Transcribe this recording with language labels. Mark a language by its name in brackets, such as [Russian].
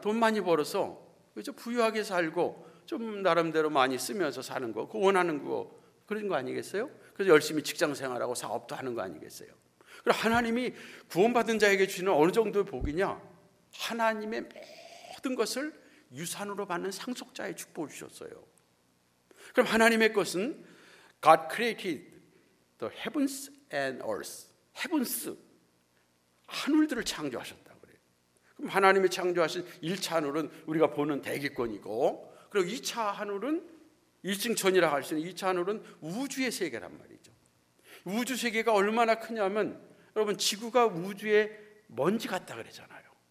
[Korean] 돈 많이 벌어서 그렇죠? 부유하게 살고 좀 나름대로 많이 쓰면서 사는 거, 그거 원하는 거, 그런 거 아니겠어요? 그래서 열심히 직장 생활하고 사업도 하는 거 아니겠어요? 그럼 하나님이 구원받은 자에게 주시는 어느 정도의 복이냐? 하나님의 모든 것을 유산으로 받는 상속자의 축복을 주셨어요. 그럼 하나님의 것은 [English] God created the heavens and earth. [Korean] Heavens, 하늘들을 창조하셨다. 하나님이 창조하신 1차 하늘은 우리가 보는 대기권이고, 그리고 2차 하늘은 일증천이라고 할 수 있는 2차 하늘은 우주의 세계란 말이죠. 우주 세계가 얼마나 크냐면, 여러분 지구가 우주의 먼지 같다 그러잖아요.